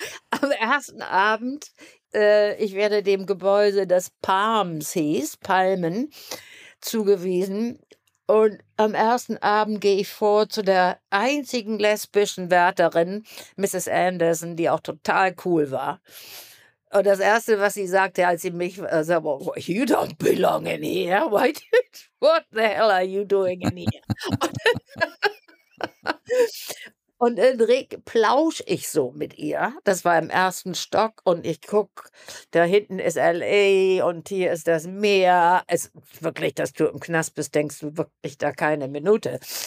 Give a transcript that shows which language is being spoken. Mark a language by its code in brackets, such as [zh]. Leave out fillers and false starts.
[de] Am ersten Abend, ich werde dem Gebäude, das Palms hieß, Palmen, zugewiesen. Und am ersten Abend gehe ich vor zu der einzigen lesbischen Wärterin, Mrs. Anderson, die auch total cool war. Und das Erste, was sie sagte, als sie mich sah, war, [en] you don't belong in here. What the hell are you doing in here? [de] Und in Rick plausch ich so mit ihr. Das war im ersten Stock und ich gucke, da hinten ist L.A. und hier ist das Meer. Es ist wirklich, dass du im Knast bist, denkst du wirklich da keine Minute.